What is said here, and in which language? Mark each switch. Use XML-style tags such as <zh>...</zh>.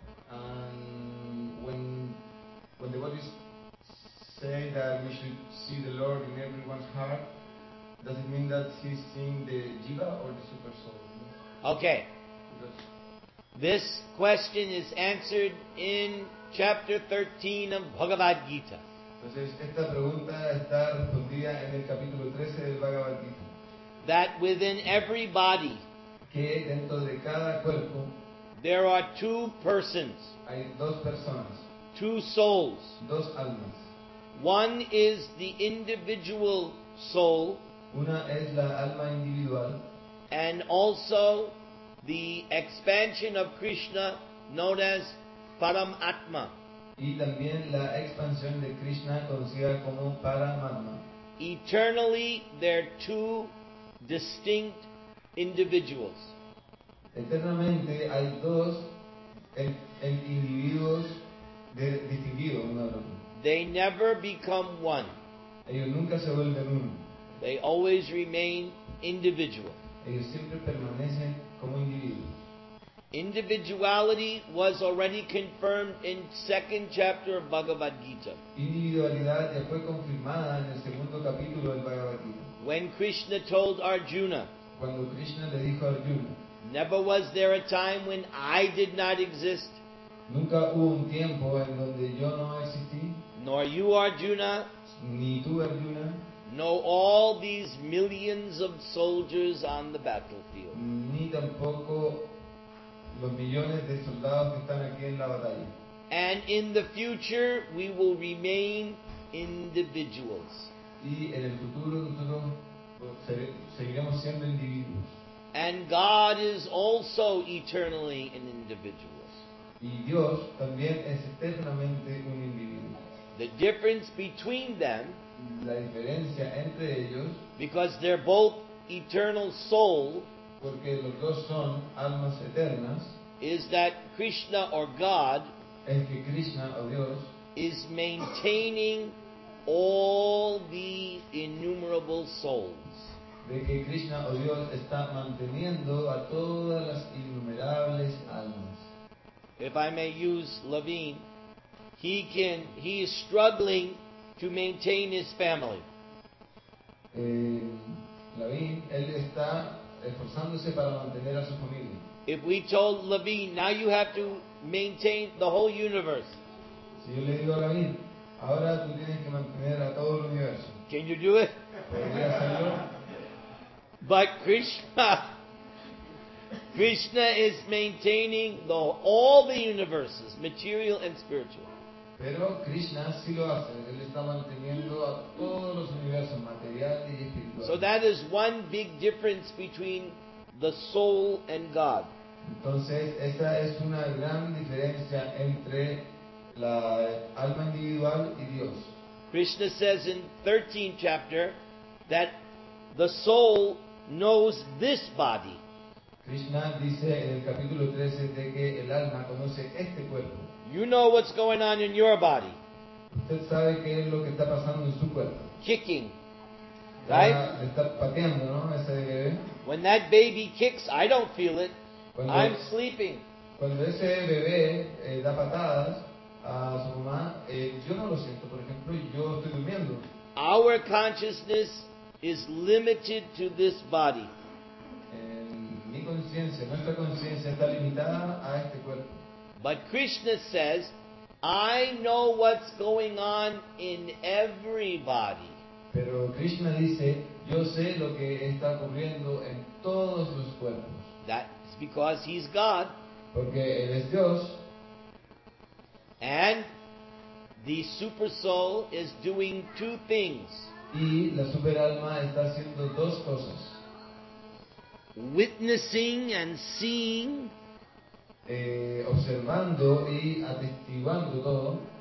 <en>And when the body say that we should see the Lord in everyone's heart, does it mean that he's seeing the jiva or the super soul? Okay. This question is answered in chapter 13 of Bhagavad Gita.</en> <es>Entonces, esta pregunta está respondida en el capítulo 13 del Bhagavad Gita.</es> <en>That within every body,</en> <es>que dentro de cada cuerpo,</es> <en>there are two persons,</en> <es>hay dos personas,</es> <en>two souls.</en> <es>Dos almas.</es> <en>One is the individual soul,</en> <es>una es la alma individual,</es> <en>and also the expansion of Krishna known as Paramatma.</en> <es>Y también la expansión de Krishna conocida como Paramatma.</es> <en>Eternally, there are two distinct individuals.</en> <es>Eternamente hay dos individuos distinguidos uno del otro.</es> <en>They never become one.</en> <es>Ellos nunca se vuelven uno.</es> <en>They always remain individual.</en> <es>Ellos siempre permanecen como individuos.</es> <en>Individuality was already confirmed in second chapter of Bhagavad Gita.</en> <es>Individualidad ya fue confirmada en el segundo capítulo del Bhagavad Gita.</es> <en>When Krishna told Arjuna,</en> <es>cuando Krishna le dijo a Arjuna,</es> <en>never was there a time when I did not exist,</en> <es>nunca hubo un tiempo en donde yo no existí,</es> <en>nor you Arjuna,</en> <es>ni tú Arjuna,</es> <en>nor all these millions of soldiers on the battlefield,</en> <es>ni tampoco los millones de soldados que están aquí en la batalla.</es> <en>And in the future we will remain individuals.</en> <es>Y en el futuro nosotros seguiremos siendo individuos.</es> <en>And God is also eternally an individual.</en> <es>Y Dios también es eternamente un individuo.</es> <en>The difference between them,</en> <es>la diferencia entre ellos,</es> <en>because they're both eternal soul,</en> <es>porque los dos son almas eternas,</es> <en>is that Krishna or God,</en> <es>es que Krishna o Dios,</es> <en>is maintaining all the innumerable souls.</en> <es>De que Krishna o Dios está manteniendo a todas las innumerables almas.</es> <en>If I may use Levine, he is struggling to maintain his family.</en> <es>Levine, él está esforzándose para mantener a su familia.</es> <en>If we told Levine, now you have to maintain the whole universe.</en> <es>Si yo le digo a Levine, ahora tú tienes que mantener a todo el universo.</es> <en>Can you do it?</en> <es>¿Podría hacerlo?</es> <en>But Krishna is maintaining all the universes, material and spiritual.</en> <es>Pero Krishna sí lo hace. Él está manteniendo a todos los universos, material y espiritual.</es> <en>So that is one big difference between the soul and God.</en> <es>Entonces, esa es una gran diferencia entre la alma individual y Dios.</es> <en>Krishna says in 13th chapter that the soul knows this body.</en> <es>Krishna dice en el capítulo 13 de que el alma conoce este cuerpo.</es> <en>You know what's going on in your body.</en> <es>Usted sabe qué es lo que está pasando en su cuerpo.</es> <en>Kicking. Right?</en> <es>Está pateando, ¿no? Ese bebé.</es> <en>When that baby kicks, I don't feel it. I'm sleeping.</en> <es>Cuando ese bebé da patadas a su mamá, yo no lo siento. Por ejemplo, yo estoy durmiendo.</es> <en>Our consciousness is limited to this body.</en> <es>Mi conciencia, nuestra conciencia está limitada a este cuerpo.</es> <en>But Krishna says, I know what's going on in everybody.</en> <es>Pero Krishna dice, yo sé lo que está ocurriendo en todos los cuerpos.</es> <en>That's because he's God.</en> <es>Porque él es Dios.</es> <en>And the super soul is doing two things.</en> <es>Y la superalma está haciendo dos cosas.</es> <en>Witnessing and seeing.</en> <es>Observando y atestiguando todo.</es>